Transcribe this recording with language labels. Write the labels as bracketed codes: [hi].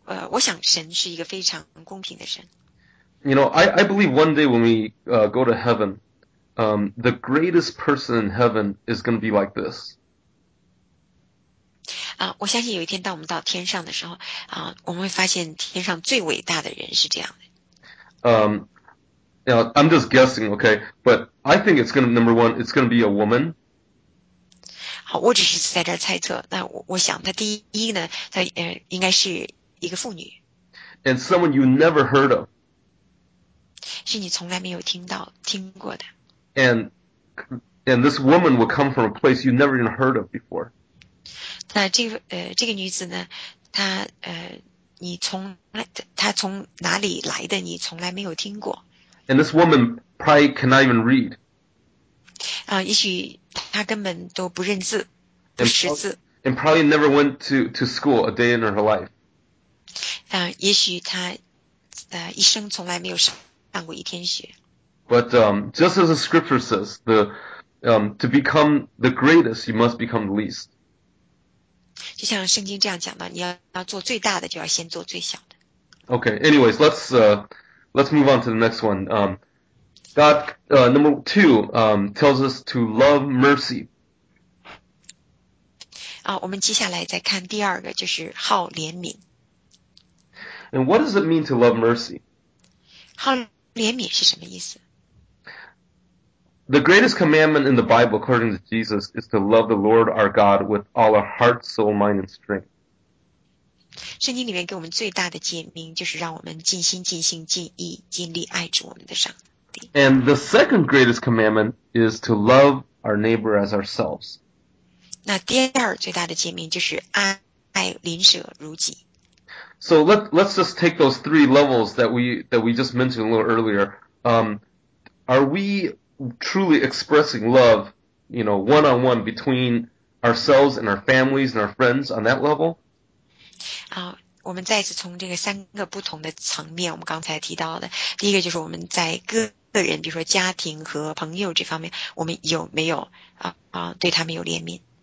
[zh] 我想神是一个非常公平的神。 [en] You know, I believe one day when we go to heaven, the greatest person in heaven is going to be like this. [zh] 我相信有一天当我们到天上的时候我们会发现天上最伟大的人是这样的。 [en] You know, I'm just guessing, okay? But I think it's going to, number one, it's going to be a woman. [zh] 好，我只是在这猜测。那 我想他第一呢，他应该是一个妇女。 [en] And someone you never heard of. [zh] 是你从来没有听过的。 [en] And this woman will come from a place you never even heard of before. [zh] 那这个女子呢，她你从来她从哪里来的？你从来没有听过。 [en] And this woman probably cannot even read. [zh] 也许她根本都不认字，不识字。 [en] And probably never went to school a day in her life. [zh] 也许她一生从来没有上过一天学。 [en] But just as the scripture says, to become the greatest, you must become the least. [zh] 就像圣经这样讲的，你要做最大的，就要先做最小的。 [en] Okay, anyways, let's move on to the next one. God, number two, tells us to love mercy. [zh] 我们接下来再看第二个，就是好怜悯。 [en] And what does it mean to love mercy? [zh] 好怜悯是什么意思？ [en] The greatest commandment in the Bible, according to Jesus, is to love the Lord our God with all our heart, soul, mind, and strength. [zh] 圣经里面给我们最大的诫命就是让我们尽心、尽性、尽意、尽力爱主我们的上帝。 [en] And the second greatest commandment is to love our neighbor as ourselves. [zh] 那第二最大的诫命就是爱邻舍如己。 [en] So let's just take those three levels that we just mentioned a little earlier. Are we... truly expressing love, you know, one-on-one between ourselves and our families and our friends on that level? [zh] 我们再次从这个三个不同的层面，我们刚才提到的，第一个就是我们在个人，比如说家庭和朋友这方面，我们有没有对他们有怜悯。